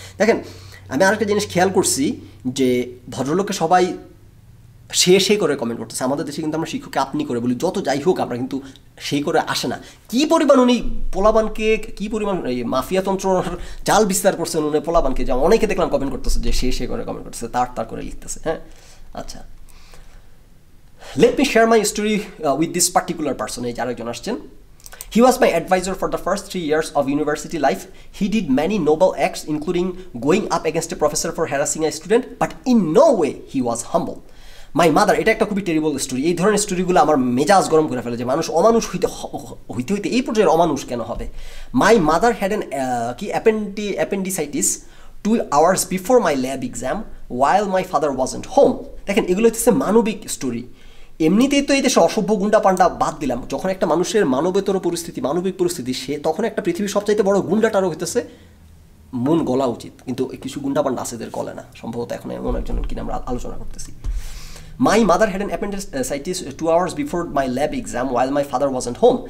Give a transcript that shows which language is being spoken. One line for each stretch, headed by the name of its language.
Bangla: দেখেন, আমি আরেকটা জিনিস খেয়াল করছি যে ভদ্রলোককে সবাই সে সে করে কমেন্ট করতেছে, আমাদের দেশে কিন্তু আমরা শিক্ষককে আপনি করে বলি, যত যাই হোক আমরা কিন্তু সেই করে আসে না। কী পরিমাণ উনি পোলাবানকে, কী পরিমাণ মাফিয়াতন্ত্র জাল বিস্তার করছেন উনি পোলাবানকে, যে অনেকে দেখলাম কমেন্ট করতেছে যে সে সে করে কমেন্ট করতেছে, তার তার করে লিখতেছে।
English: হ্যাঁ, আচ্ছা, let me share my story with this particular person,
Bangla: এই যে আরেকজন আসছেন।
English: He was my advisor for the first 3 years of university life. He did many noble acts, including going up against a professor for harassing a student, but in no way he was humble. My mother,
Bangla: এটা একটা খুবই terrible story, এই ধরনের স্টোরিগুলো আমার মেজাজ গরম করে ফেলে, যে মানুষ অমানুষ হইতে হইতে হইতে এই পর্যায়ের অমানুষ কেন হবে।
English: My mother had an কি appendicitis 2 hours before my lab exam while my father wasn't home.
Bangla: দেখেন, এগুলো হচ্ছে মানবিক স্টোরি, এমনিতেই তো এই দেশে অসভ্য গুন্ডা পান্ডা বাদ দিলাম, যখন একটা মানুষের মানবেতর পরিস্থিতি, মানবিক পরিস্থিতি, সে তখন একটা পৃথিবীর সবচাইতে বড় গুন্ডাটারও হইতেছে মন গলা উচিত, কিন্তু কিছু গুন্ডা পান্ডা আছে এদের গলে না, সম্ভবত এখন এমন একজন কি আমরা আলোচনা করতেছি।
English: My mother had an appendicitis 2 hours before my lab exam while my father wasn't home.